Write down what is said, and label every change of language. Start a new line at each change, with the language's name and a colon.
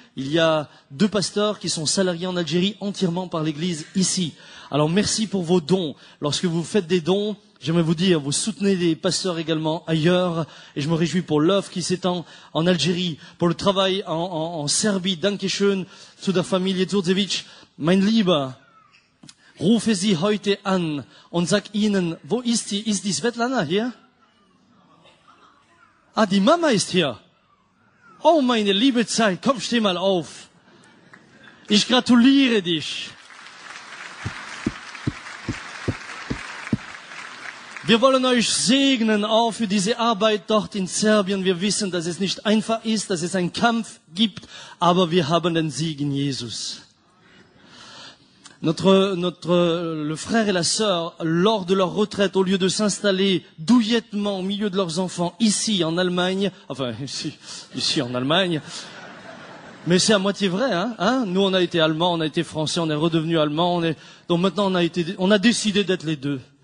French: Il y a deux pasteurs qui sont salariés en Algérie entièrement par l'Église ici. Alors merci pour vos dons. Lorsque vous faites des dons, j'aimerais vous dire, vous soutenez des pasteurs également ailleurs. Et je me réjouis pour l'œuvre qui s'étend en Algérie, pour le travail en Serbie,
German: Dankeschön, zu der Familie Zurzevic, mein Lieber. Rufe sie heute an und sag ihnen, wo ist die? Ist die Svetlana hier? Ah, die Mama ist hier. Oh, meine liebe Zeit, komm, steh mal auf. Ich gratuliere dich. Wir wollen euch segnen auch für diese Arbeit dort in Serbien. Wir wissen, dass es nicht einfach ist, dass es einen Kampf gibt, aber wir haben den Sieg in Jesus.
French: Le frère et la sœur, lors de leur retraite, au lieu de s'installer douillettement au milieu de leurs enfants, ici en Allemagne, ici en Allemagne, mais c'est à moitié vrai, hein, nous on a été allemands, on a été français, on est redevenus allemands, donc maintenant on a décidé d'être les deux.